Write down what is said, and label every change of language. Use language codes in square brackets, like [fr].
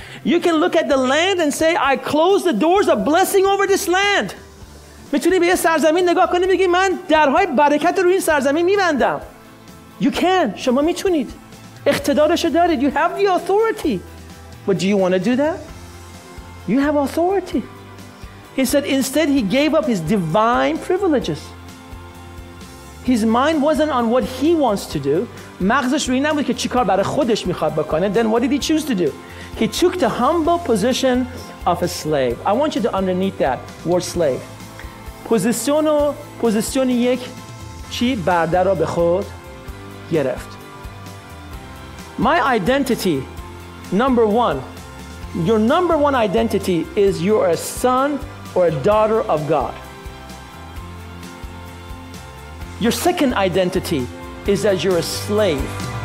[en] You can look at the land and say, I close the doors of blessing over this land. [fa] میتونی به یه سرزمین نگاه کنی بگی من درهای برکت رو این سرزمین میبندم. [en] You can. [fa] شما میتونید. اقتدارشو دارید. [en] You have the authority. But do you want to do that? You have authority. He said instead he gave up his divine privileges. His mind wasn't on what he wants to do. [fa] مغزش روی نبود که چیکار برای خودش میخواد بکنه. [en] Then what did he choose to do? He took the humble position of a slave. I want you to underneath that word slave. [fa] پوزیسیون یک چی برده را به خود گرفت. [en] My identity, number one, your number one identity is you are a son or a daughter of God. Your second identity is that you're a slave.